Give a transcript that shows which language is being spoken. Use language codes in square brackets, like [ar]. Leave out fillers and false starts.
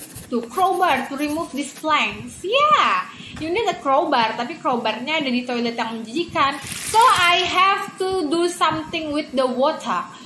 [en] To crowbar to remove these planks. Yeah, you need a crowbar. [id] Tapi crowbarnya ada di toilet yang menjijikan. [en] So I have to do something with the water.